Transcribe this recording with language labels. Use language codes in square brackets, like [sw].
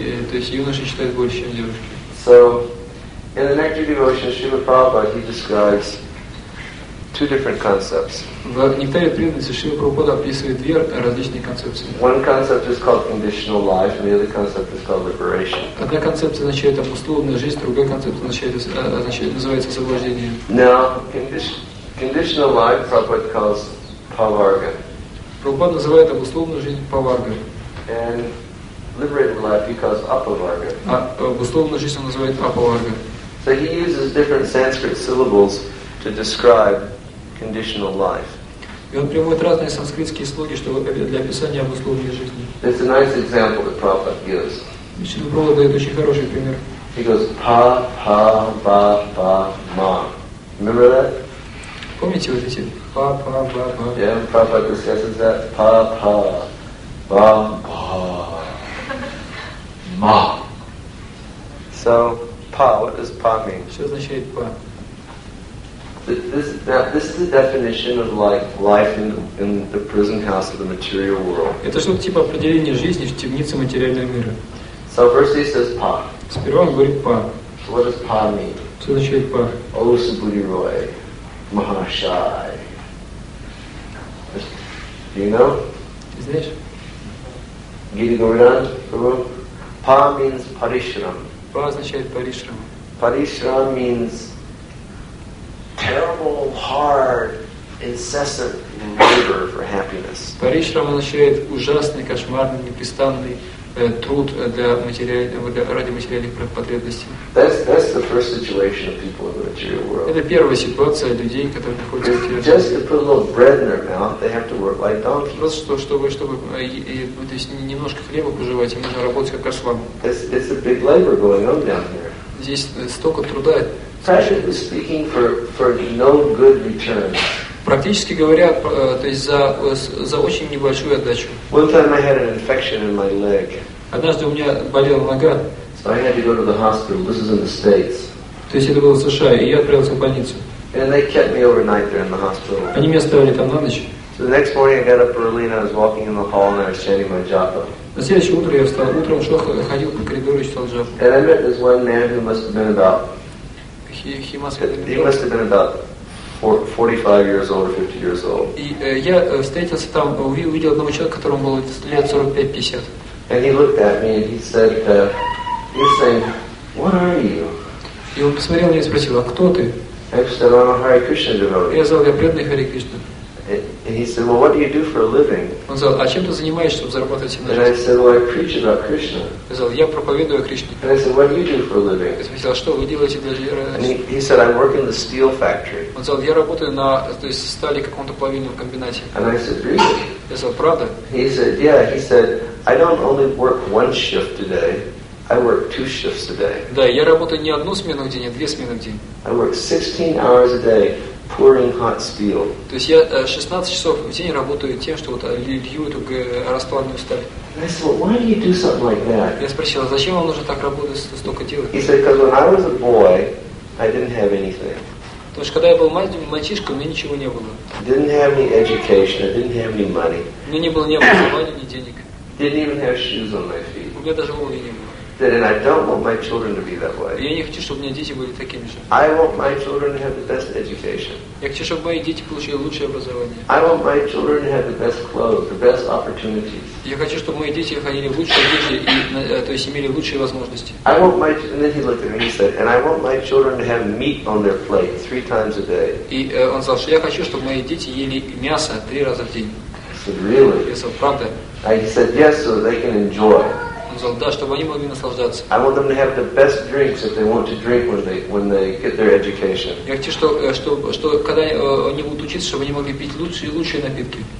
[ru] То есть юноши читают больше, чем девушки. [en] So, in the Nectar of Devotion, Srila Prabhupada, he describes two different concepts. [ru] В Нектаре преданности Шрила Прабхупада описывает две различные концепции. [en] One concept is called conditional life, and the other concept is called liberation. [ru] Одна концепция означает обусловленная жизнь, другая концепция называется освобождение. [en] Now, conditional life Prabhupada calls paварга. [ru] Прабхупада называет обусловленную жизнь паварга. [en] And liberated life he calls апаварга. [ru] А обусловленную жизнь он называет апаварга. [en] So he uses different Sanskrit syllables to describe conditional life. [ru] И он приводит разные санскритские слоги, чтобы для описания обусловленной жизни. [en] It's a nice example that Prabhupada gives. [ru] Шрила Прабхупада дает очень хороший пример. [en] He goes pa pa ba ba ma. Remember that? [ru] Помните вот эти pa pa ba ba. [en] Yeah, Prabhupada discusses that pa pa ba ba ma. So pa, what does pa mean? [ru] Что означает pa? [en] This is the definition of like life in the prison house of the material world. [ru] Это что-то типа определения жизни в темнице материального мира. [en] So first he says pa. [ru] Сперва он говорит pa. [en] So what does pa mean? [ru] Что означает pa? [en] Oh, Subhuti Roy, Mahashai. Do you know? [ru] Знаешь? [en] Гиви Говардан, Прабху. Pa means parishram. [ru] Pa означает parishram. [en] Parishram means terrible, hard, incessant labor for happiness. [ru] Parishram означает ужасный, кошмарный, непрестанный труд ради материальных потребностей. [en] That's the first situation of people in the material world. [ru] Это первая ситуация людей, которые находятся в материальном мире. [en] Just to put a little bread in their mouth, they have to work like donkeys. [ru] Просто чтобы то есть немножко хлеба пожевать, им нужно работать как ослам. [en] It's a big labor going on down here. [ru] Здесь столько труда. [en] Practically speaking, for no good return. [ru] Практически говоря, то есть за очень небольшую отдачу. [en] One time I had an infection in my leg. [ru] Однажды у меня болела нога. [en] So I had to go to the hospital. This is in the States. [ru] То есть это было в США, и я отправился в больницу. [en] And they kept me overnight there in the hospital. [ru] Они меня оставили там на ночь. [en] So the next morning I got up early and I was walking in the hall and I was chanting my japa. [ru] На следующее утро я встал утром, шел, ходил по коридору и читал джапу. [en] And I met this one man who must have been about. He must have been about 45 years old or 50 years old. [ru] И я встретился там, увидел одного человека, которому было лет 45-50. [en] And he looked at me and he said, "You're saying, what are you?" [ru] И он посмотрел на меня и спросил, а кто ты? [en] I said, "I'm a Hare Krishna devotee." [ru] Я сказал, я преданный Харе Кришна. [en] And he said, "Well, what do you do for a living?" [ru] Он сказал, а чем ты занимаешься, чтобы зарабатывать деньги? [en] And I said, "Well, I preach about Krishna." [ru] Я сказал, я проповедую о Кришне. [en] And I said, "What do you do for a living?" [ru] Я спросил, что вы делаете для жизни? [en] And he said, "I work in the steel factory." [ru] Он сказал, я работаю на, то есть, стали каком-то плавильном комбинате. [en] And I said, "Really?" [ru] Я сказал, правда? [en] He said, "Yeah." He said, "I don't only work one shift today. I work two shifts today." [ru] Да, я работаю не одну смену в день, а две смены в день. [en] I work 16 hours a day. Pouring hot steel. [ru] То есть я 16 часов в день работаю тем, что вот лью эту расплавленную сталь. [en] I said, "Why do you do something like that?" [ru] Я спросил, а зачем вам нужно так работать, столько делать? [en] He said, "Because when I was a boy, I didn't have anything." [ru] То есть когда я был мальчишкой, у меня ничего не было. [en] Didn't have any education. I didn't have any money. [ru] У меня не было ни образования, ни денег. [en] Didn't even have shoes on my feet. [ru] У меня даже обуви не было. [en] And I don't want my children to be that way. [ru] Я не хочу, чтобы у меня дети были такими же. [en] I want my children to have the best education. [ru] Я хочу, чтобы мои дети получили лучшее образование. [en] I want my children to have the best clothes, the best opportunities. [ru] Я хочу, чтобы мои дети ходили в лучшие одежды и, то есть, имели лучшие возможности. [en] I want my children. And then he looked at me and he said, "And I want my children to have meat on their plate 3 times a day." [ru] И он сказал, что я хочу, чтобы мои дети ели мясо 3 раза в день. [en] I said, "Really?" [ru] Я сказал, правда? [en] And he said, "Yes, so they can enjoy." [ru] Да, чтобы они могли наслаждаться. [en] I want them to have the best drinks if they want to drink when they get their education. [ru] Я хочу, что когда они будут учиться, чтобы они могли пить лучшие и лучшие напитки.